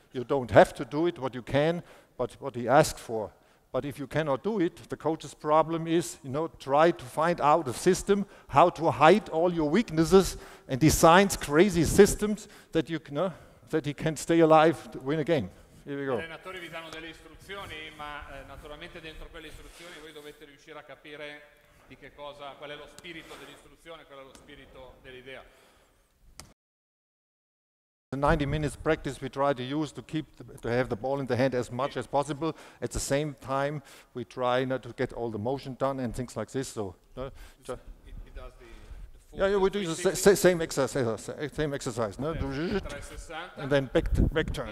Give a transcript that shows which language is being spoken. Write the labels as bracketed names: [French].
[English] You don't have to do it, what you can, but what he asks for. But if you cannot do it, the coach's problem is, you know, try to find out a system how to hide all your weaknesses and designs crazy systems that you can, that he can stay alive to win a game. Here we go. [Italian] I allenatori vi danno delle istruzioni, ma naturalmente dentro quelle istruzioni voi dovete riuscire a capire di che cosa, qual è lo spirito dell'istruzione, qual è lo spirito dell'idea. [English] The 90 minutes practice we try to use to keep to have the ball in the hand as much as possible. At the same time, we try not to get all the motion done and things like this. So, we do the same exercise. Same exercise. No? And then back turn.